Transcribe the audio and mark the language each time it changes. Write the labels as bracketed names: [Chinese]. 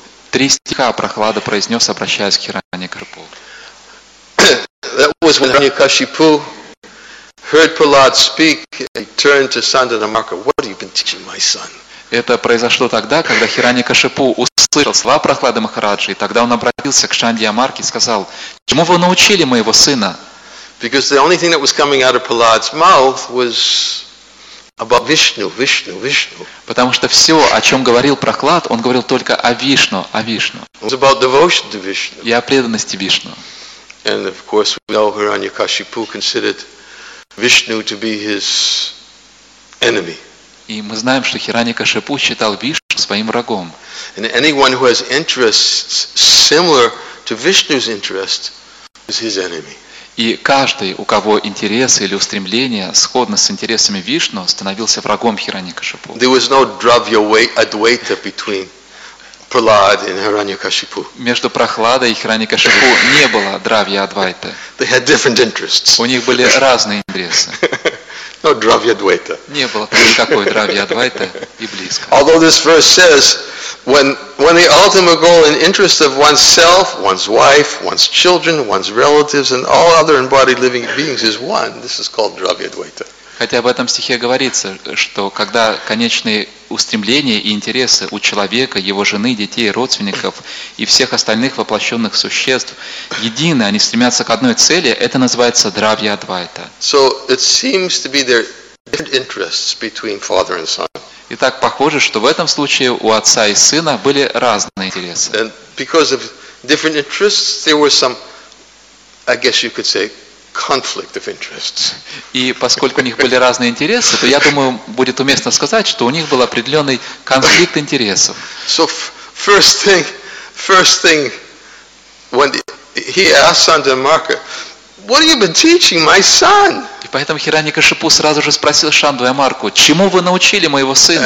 [Russian] Три стиха Прахлада произнес, обращаясь к Хираньякашипу. [English] That was when Хираньякашипу heard Prahlad speak and turned to Sandana Marka. What have you been teaching my son? [Russian] Это произошло тогда, когда Хираньякашипу услышал слова Прахлады Махараджи, и тогда он обратился к Сандья Марке и сказал, «Чему вы научили моего сына?» [English] Because the only thing that was coming out of Prahlad's mouth was about Vishnu, Vishnu, Vishnu. [Russian] Потому что все, о чем говорил Прахлад, он говорил только о Вишну, о Вишну. [English] It was about devotion to Vishnu. [Russian] И о преданности Вишну. [English] And of course we know Hiranyakashipu considered Vishnu to be his enemy. [Russian] И мы знаем, что Хираньякашипу считал Вишну своим врагом. [English] And anyone who has interests similar to Vishnu's interest is his enemy. [Russian] И каждый, у кого интересы или устремления сходны с интересами Вишну, становился врагом Хираньякашипу. [English] There was no Дравья-адвайта between Prahlad and Хираньякашипу. [Russian] Между Прахладой и Хираньякашипу не было Дравья-адвайта. [English] They had different interests. [Russian] У них были разные интересы. [English] No Дравья-адвайта. [Russian] Не было никакой Дравья-адвайта и близко. [English] Although this verse says, When the ultimate goal and interest of oneself, one's wife, one's children, one's relatives, and all other embodied living beings is one, this is called Дравья-адвайта. [Russian] Хотя в этом стихе говорится, что когда конечные устремления и интересы у человека, его жены, детей, родственников и всех остальных воплощенных существ едины, они стремятся к одной цели, это называется Дравья-адвайта. [English] So it seems to be their different interests between father and son. [Russian] Итак, похоже, что в этом случае у отца и сына были разные интересы. [English] And because of different interests, there were some, I guess you could say, conflict of interests. [Russian] И поскольку у них были разные интересы, то я думаю, будет уместно сказать, что у них был определенный конфликт интересов. [English] So first thing, when he asked Sandana Marka, what have you been teaching my son? [Russian] И поэтому Хираньякашипу сразу же спросил Сандвая Марку, чему вы научили моего сына?